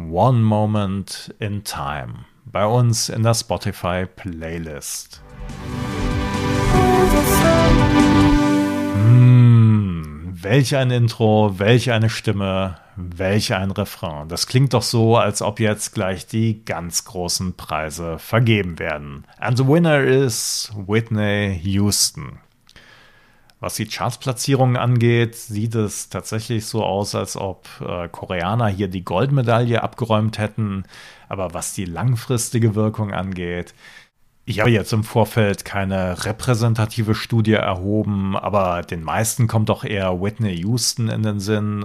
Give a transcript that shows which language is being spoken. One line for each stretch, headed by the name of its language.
German: One Moment in Time. Bei uns in der Spotify Playlist. Welch ein Intro, welch eine Stimme. Welch ein Refrain. Das klingt doch so, als ob jetzt gleich die ganz großen Preise vergeben werden.
English: And the winner is Whitney Houston.
German: Was die Chartsplatzierungen angeht, sieht es tatsächlich so aus, als ob Koreaner hier die Goldmedaille abgeräumt hätten. Aber was die langfristige Wirkung angeht, Ich habe jetzt im Vorfeld keine repräsentative Studie erhoben, aber den meisten kommt doch eher Whitney Houston in den Sinn.